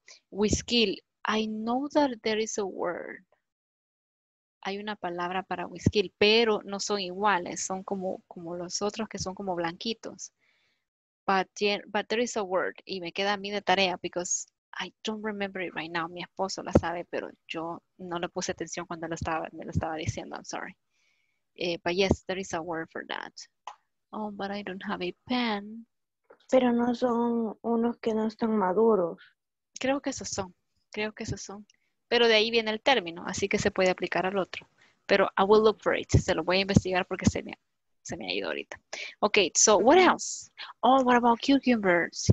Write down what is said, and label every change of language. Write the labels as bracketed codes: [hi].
[en] Whiskey, I know that there is a word. [es] Hay una palabra para whiskey, pero no son iguales, son como los otros que son como blanquitos. [en] But there is a word, [es] y me queda a mí de tarea, [en] because I don't remember it right now, [es] mi esposo la sabe, pero yo no le puse atención cuando me lo estaba diciendo, [en] I'm sorry. But yes, there is a word for that. Oh, but I don't have a pen. [es] Pero no son unos que no están maduros. Creo que esos son. Pero de ahí viene el término, así que se puede aplicar al otro. Pero [en] I will look for it. [es] Se lo voy a investigar porque se me ha ido ahorita. [en] Okay, so what else? Oh, what about cucumbers?